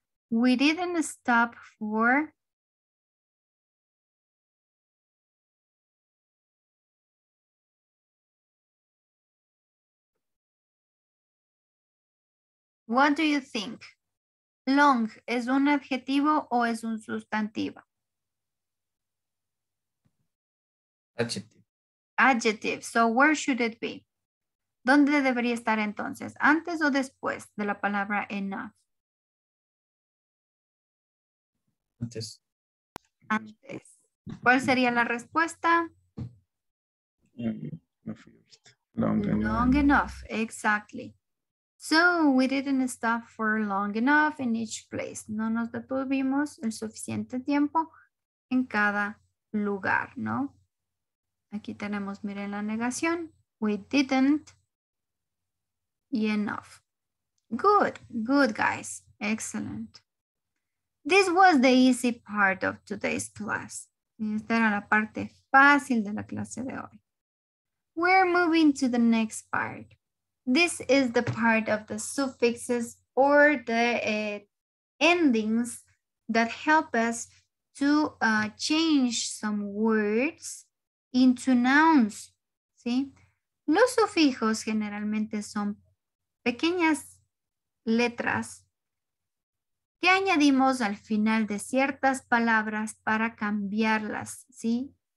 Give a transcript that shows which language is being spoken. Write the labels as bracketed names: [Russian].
[English] We didn't stop for what do you think? [Spanish] Long, ¿es un adjetivo o es un sustantivo? [English] Adjective. Adjective. So where should it be? [Spanish] ¿Dónde debería estar entonces? ¿Antes o después de la palabra enough? Antes. Antes. ¿Cuál sería la respuesta? [English] Long enough. Exactly. So we didn't stop for long enough in each place. [Spanish] No nos detuvimos el suficiente tiempo en cada lugar, ¿no? Aquí tenemos, miren la negación. [English] We didn't [Spanish] y enough. [English] Good, good guys. Excellent. This was the easy part of today's class. [Spanish] Esta era la parte fácil de la clase de hoy. [English] We're moving to the next part. This is the part of the suffixes or the endings that help us to change some words into nouns. [Spanish] ¿Sí? Los sufijos generalmente son pequeñas letras que añadimos al final de ciertas palabras para cambiarlas. ¿Sí?